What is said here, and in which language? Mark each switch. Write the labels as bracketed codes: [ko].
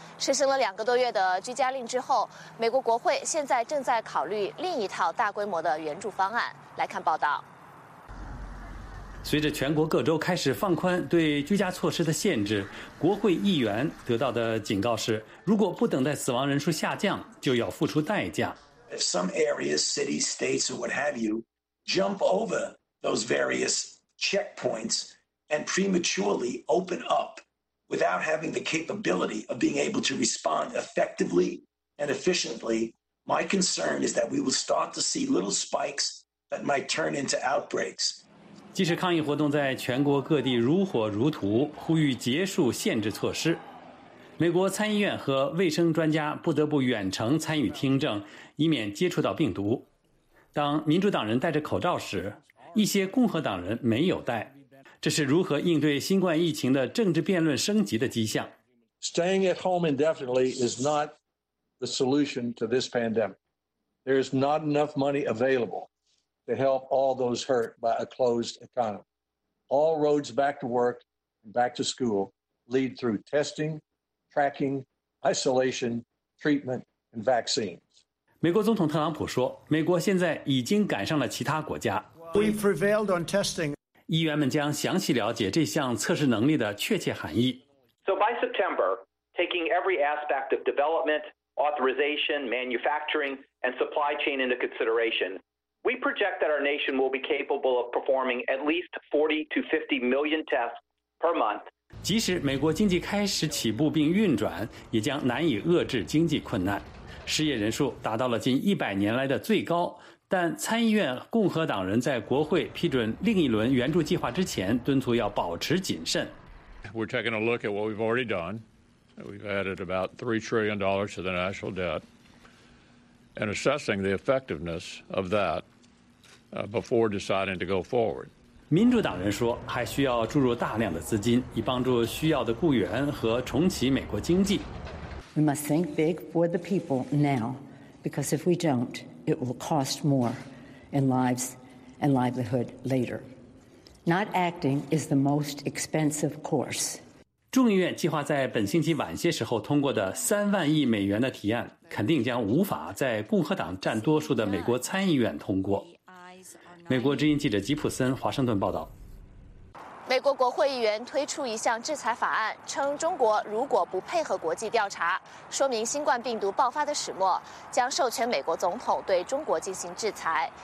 [zh] 实行了2个多月的居家令之后，美国国会现在正在考虑另一套大规模的援助方案。来看报道。随着全国各州开始放宽对居家措施的限制，国会议员得到的警告是，如果不等待死亡人数下降，就要付出代价。 [en] If some areas, cities, states, or what have you, jump over those various checkpoints and prematurely open up without having the capability of being able to respond effectively and efficiently, my concern is that we will start to see little spikes that might turn into outbreaks. [zh] 即使抗议活动在全国各地如火如荼，呼吁结束限制措施，美国参议院和卫生专家不得不远程参与听证，以免接触到病毒。当民主党人戴着口罩时，一些共和党人没有戴，这是如何应对新冠疫情的政治辩论升级的迹象。 [en] Staying at home indefinitely is not the solution to this pandemic. There is not enough money available. To help all those hurt by a closed economy. All roads back to work and back to school lead through testing, tracking, isolation, treatment, and vaccines. [zh] 美国总统特朗普说，美国现在已经赶上了其他国家。 [en] We prevailed on testing. [zh] 议员们将详细了解这项测试能力的确切含义。 [en] So by September, taking every aspect of development, authorization, manufacturing, and supply chain into consideration,We project that our nation will be capable of performing at least 40 to 50 million tests per month. [zh] 即使美国经济开始起步并运转，也将难以遏制经济困难。失业人数达到了近100年来的最高，但参议院共和党人在国会批准另一轮援助计划之前，敦促要保持谨慎。 [en] We're taking a look at what we've already done. We've added about $3 trillion to the national debt. And assessing the effectiveness of that before deciding to go forward. [zh] 民主党人说，还需要注入大量的资金，以帮助需要的雇员和重启美国经济。 [en] We must think big for the people now, because if we don't, it will cost more in lives and livelihood later. Not acting is the most expensive course. [zh] 众议院计划在本星期晚些时候通过的3万亿美元的提案，肯定将无法在共和党占多数的美国参议院通过。美国之音记者吉普森华盛顿报道。美国国会议员推出一项制裁法案，称中国如果不配合国际调查，说明新冠病毒爆发的始末，将授权美国总统对中国进行制裁。